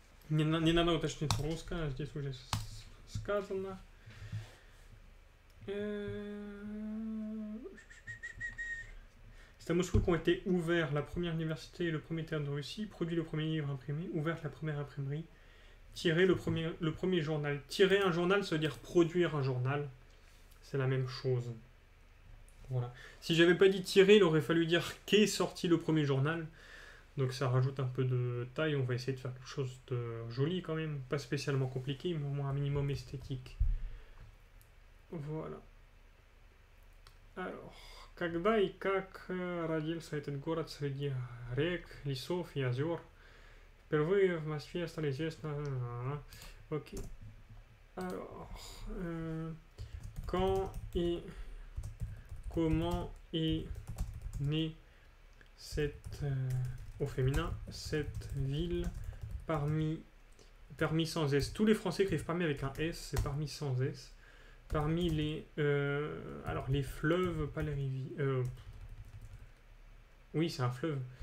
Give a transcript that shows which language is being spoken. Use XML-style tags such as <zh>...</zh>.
<ru>Не надо уточнить русское, здесь уже сказано.</ru> <fr>C'est à Moscou qu'ont été ouverts la première université et le premier théâtre de Russie, produit le premier livre imprimé, ouvert la première imprimerie, tiré le premier journal. Tirer un journal, ça veut dire produire un journal. C'est la même chose. Voilà. Si j'avais pas dit tirer, il aurait fallu dire qu'est sorti le premier journal. Donc ça rajoute un peu de taille. On va essayer de faire quelque chose de joli quand même. Pas spécialement compliqué, mais au moins un minimum esthétique. Voilà. Alors,</fr> <ru>когда и как родился этот город среди рек, лесов и озер? Впервые в Москве стало известно... Ok.</ru> <fr>Alors, quand et comment est née cette, au féminin, cette ville parmi sans S? Tous les Français écrivent parmi avec un S, c'est parmi sans S. Parmi les alors les fleuves, pas les rivières. Oui, c'est un fleuve.</fr>